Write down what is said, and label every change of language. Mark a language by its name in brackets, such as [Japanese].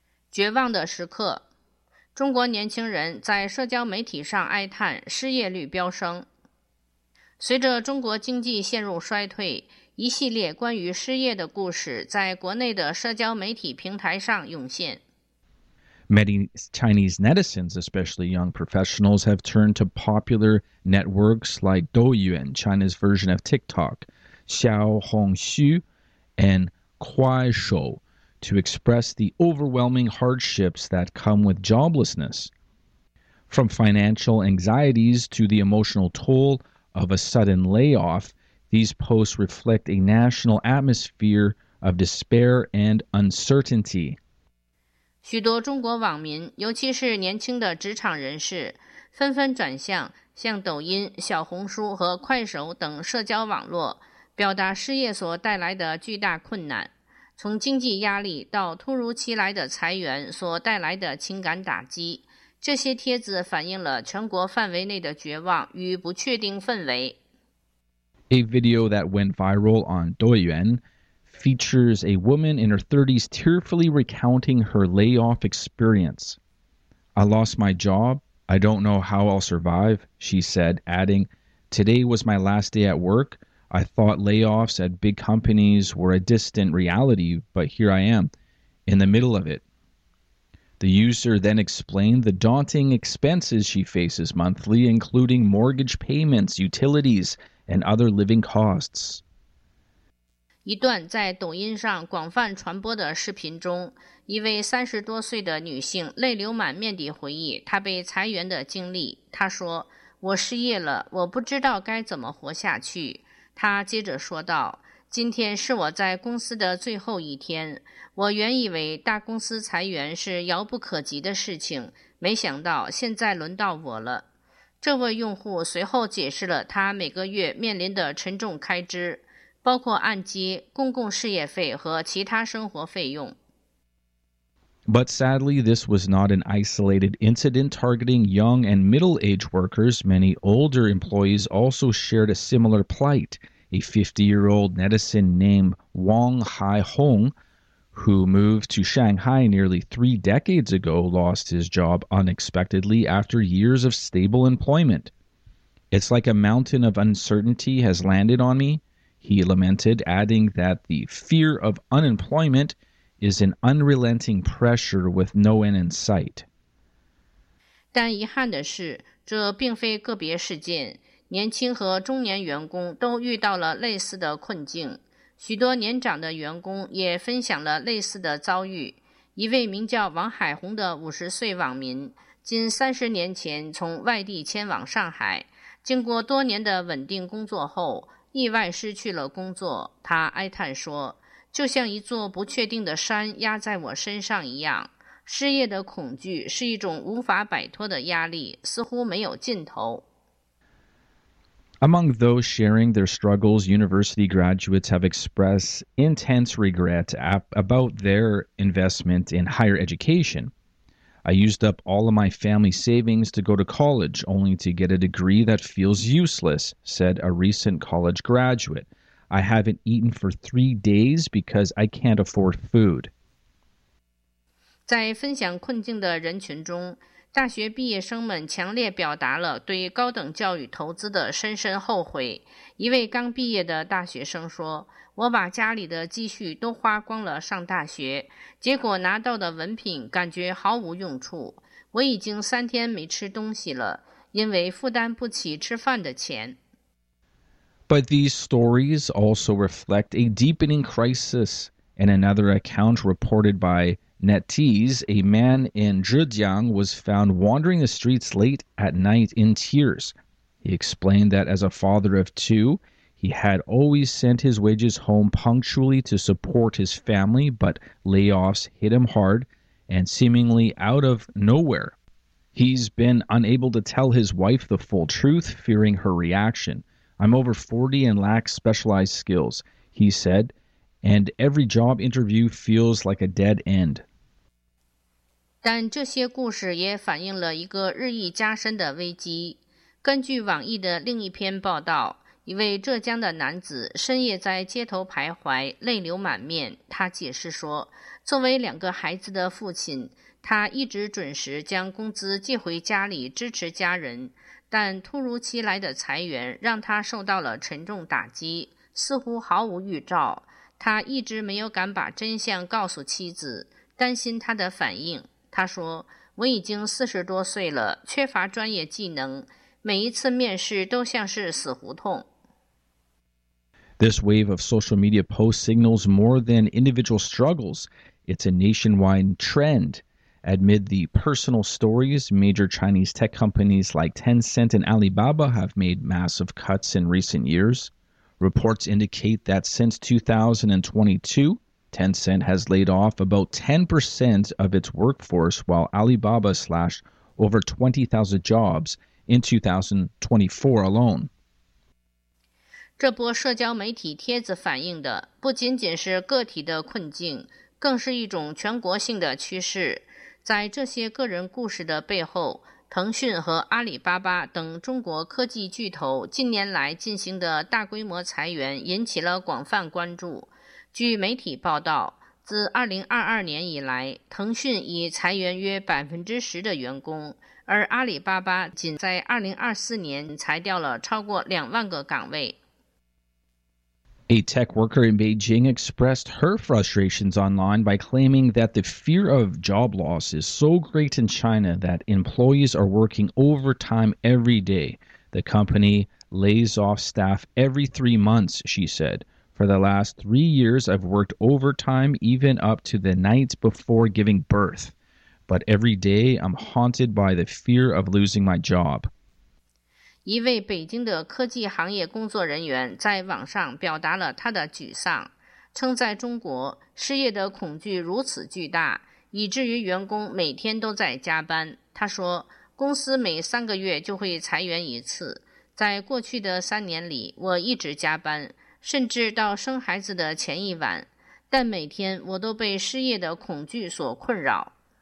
[Chinese] 绝望的时刻，中国年轻人在社交媒体上哀叹失业率飙升。随着中国经济陷入衰退，一系列关于失业的故事在国内的社交媒体平台上涌现。 [English] Many Chinese netizens, especially young professionals, have turned to popular networks like Douyin, China's version of TikTok, Xiaohongshu, and Kuaishou to express the overwhelming hardships that come with joblessness. From financial anxieties to the emotional toll of a sudden layoff, these posts reflect a national atmosphere of despair and uncertainty. [Chinese] 许多中国网民，尤其是年轻的职场人士，纷纷转向像抖音、小红书和快手等社交网络，表达失业所带来的巨大困难，从经济压力到突如其来的裁员所带来的情感打击。这些帖子反映了全国范围内的绝望与不确定氛围。 [English] A video that went viral on Douyin. Features a woman in her 30s tearfully recounting her layoff experience. I lost my job. I don't know how I'll survive, she said, adding, Today was my last day at work. I thought layoffs at big companies were a distant reality, but here I am, in the middle of it. The user then explained the daunting expenses she faces monthly, including mortgage payments, utilities, and other living costs. [Chinese] 一段在抖音上广泛传播的视频中，一位30多岁的女性泪流满面地回忆她被裁员的经历。她说：“我失业了，我不知道该怎么活下去。” 她接着说道：“今天是我在公司的最后一天。我原以为大公司裁员是遥不可及的事情，没想到现在轮到我了。” 这位用户随后解释了她每个月面临的沉重开支。包括按揭、公共事业费和其他生活费用。 [English] But sadly, this was not an isolated incident targeting young and middle-aged workers. Many older employees also shared a similar plight. A 50-year-old netizen named Wang Haihong, who moved to Shanghai nearly 3 decades ago, lost his job unexpectedly after years of stable employment. It's like a mountain of uncertainty has landed on me. He lamented, adding that the fear of unemployment is an unrelenting pressure with no end in sight. [Chinese] 但遗憾的是，这并非个别事件，年轻和中年员工都遇到了类似的困境。许多年长的员工也分享了类似的遭遇。一位名叫王海红的50岁网民，近30年前从外地迁往上海，经过多年的稳定工作后意外失去了工作，他哀叹说：“就像一座不确定的山压在我身上一样，失业的恐惧是一种无法摆脱的压力，似乎没有尽头。” [English] Among those sharing their struggles, university graduates have expressed intense regret about their investment in higher education. I used up all of my family savings to go to college, only to get a degree that feels useless, said a recent college graduate. I haven't eaten for 3 days because I can't afford food. [Chinese] 在分享困境的人群中，大学毕业生们强烈表达了对高等教育投资的深深后悔。一位刚毕业的大学生说，我把家里的积蓄都花光了上大学，结果拿到的文凭感觉毫无用处。我已经3天没吃东西了，因为负担不起吃饭的钱。 [English] But these stories also reflect a deepening crisis. In another account reported by NetEase, a man in Zhejiang was found wandering the streets late at night in tears. He explained that as a father of two,He had always sent his wages home punctually to support his family, but layoffs hit him hard and seemingly out of nowhere. He's been unable to tell his wife the full truth, fearing her reaction. I'm over 40 and lack specialized skills, he said, and every job interview feels like a dead end. [Chinese] 但这些故事也反映了一个日益加深的危机。根据网易的另一篇报道，一位浙江的男子深夜在街头徘徊，泪流满面。他解释说，作为两个孩子的父亲，他一直准时将工资寄回家里支持家人，但突如其来的裁员让他受到了沉重打击，似乎毫无预兆。他一直没有敢把真相告诉妻子，担心她的反应。他说，我已经40多岁了，缺乏专业技能，每一次面试都像是死胡同。 [English] This wave of social media posts signals more than individual struggles. It's a nationwide trend. Amid the personal stories, major Chinese tech companies like Tencent and Alibaba have made massive cuts in recent years. Reports indicate that since 2022, Tencent has laid off about 10% of its workforce, while Alibaba slashed over 20,000 jobs in 2024 alone. [Chinese] 这波社交媒体帖子反映的不仅仅是个体的困境，更是一种全国性的趋势。在这些个人故事的背后，腾讯和阿里巴巴等中国科技巨头近年来进行的大规模裁员引起了广泛关注。据媒体报道，自2022年以来，腾讯已裁员约 10% 的员工，而阿里巴巴仅在2024年裁掉了超过20,000个岗位。 [English] A tech worker in Beijing expressed her frustrations online by claiming that the fear of job loss is so great in China that employees are working overtime every day. The company lays off staff every 3 months, she said. For the last 3 years, I've worked overtime even up to the night before giving birth. But every day, I'm haunted by the fear of losing my job. [Chinese] 一位北京的科技行业工作人员在网上表达了他的沮丧，称在中国失业的恐惧如此巨大，以至于员工每天都在加班。他说，公司每3个月就会裁员一次，在过去的3年里，我一直加班，甚至到生孩子的前一晚，但每天我都被失业的恐惧所困扰。